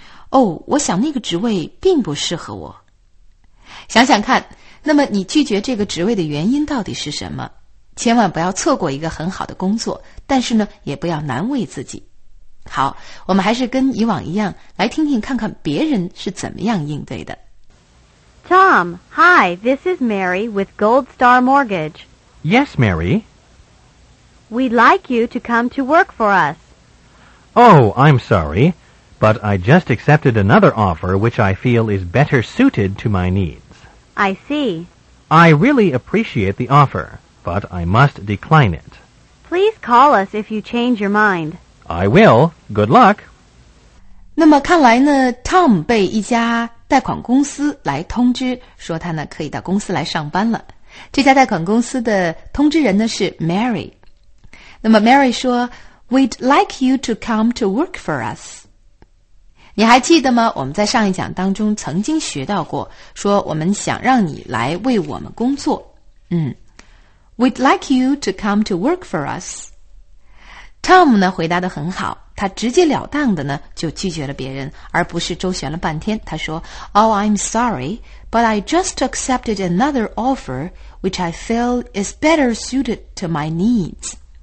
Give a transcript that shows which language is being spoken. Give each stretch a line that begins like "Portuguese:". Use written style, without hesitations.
Chinese: 我想那个职位并不适合我。想想看，那么你拒绝这个职位的原因到底是什么？千万不要错过一个很好的工作，但是呢，也不要难为自己。好，我们还是跟以往一样，来听听看看别人是怎么样应对的。
English: Tom, hi, this is Mary with Gold Star Mortgage. Yes, Mary. We'd like you to come to work for us. Oh, I'm sorry, but I just accepted another offer which I feel is better suited to my needs. I see. I really appreciate the offer, but I must decline it. Please call us if you change your mind. I will. Good luck.
Chinese: 那么看来呢 ,Tom 被一家贷款公司来通知说他呢可以到公司来上班了。这家贷款公司的通知人呢是 Mary。那么 Mary 说 ,
English: We'd like you to come to work for us.
Chinese: 你还记得吗？我们在上一讲当中曾经学到过，说我们想让你来为我们工作。
English: 嗯 ，We'd like you to come to work for us.
Chinese: Tom 呢回答得很好，他直截了当的呢就拒绝了别人，而不是周旋了半天。他说 ：“
English: Oh, I'm sorry, but I just accepted another offer, which I feel is better suited to my needs.”